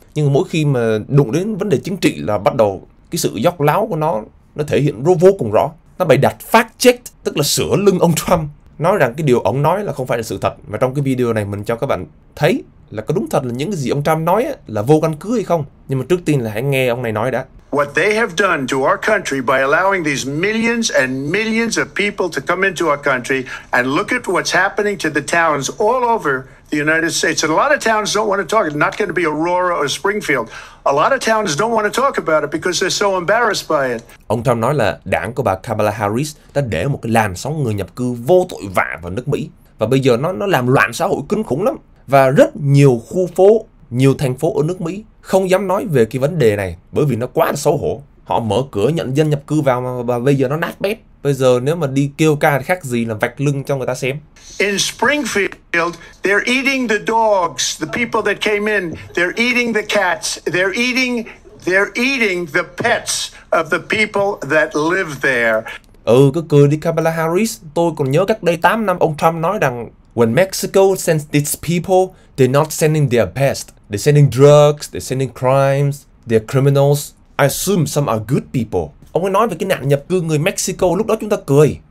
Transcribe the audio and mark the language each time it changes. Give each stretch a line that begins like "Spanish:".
Vietnamese: Nhưng mỗi khi mà đụng đến vấn đề chính trị là bắt đầu cái sự dốc láo của nó thể hiện vô cùng rõ. Nó bày đặt fact check, tức là sửa lưng ông Trump. Nói rằng cái điều ông nói là không phải là sự thật. Mà trong cái video này mình cho các bạn thấy là có đúng thật là những cái gì ông Trump nói ấy, là vô căn cứ hay không. Nhưng mà trước tiên là hãy nghe ông này nói đã.
English: What they have done to our country by allowing these millions and millions of people to come into our country and look at what's happening to the towns all over the United States. And a lot of towns don't want to talk. It's not going to be Aurora or Springfield. A lot of towns don't want to talk about it because they're so embarrassed by it.
Vietnamese: Ông Trump nói là đảng của bà Kamala Harris đã để một cái làn sóng người nhập cư vô tội vạ vào nước Mỹ. Và bây giờ nó làm loạn xã hội kinh khủng lắm. Và rất nhiều khu phố, nhiều thành phố ở nước Mỹ không dám nói về cái vấn đề này bởi vì nó quá là xấu hổ. Họ mở cửa nhận dân nhập cư vào mà bây giờ nó nát bét. Bây giờ nếu mà đi kêu ca thì khác gì là vạch lưng cho người ta xem.
English: In Springfield, they're eating the dogs, the people that came in. They're eating the cats. They're eating the pets of the people that live there.
Vietnamese: Ừ, cứ cười đi Kamala Harris. Tôi còn nhớ cách đây 8 năm ông Trump nói rằng
English: when Mexico sends its people, they're not sending their best. They're sending drugs, they're sending crimes, they're criminals. I assume some are good people.
Vietnamese: Ông ấy nói về cái nạn nhập cư người Mexico, lúc đó chúng ta cười.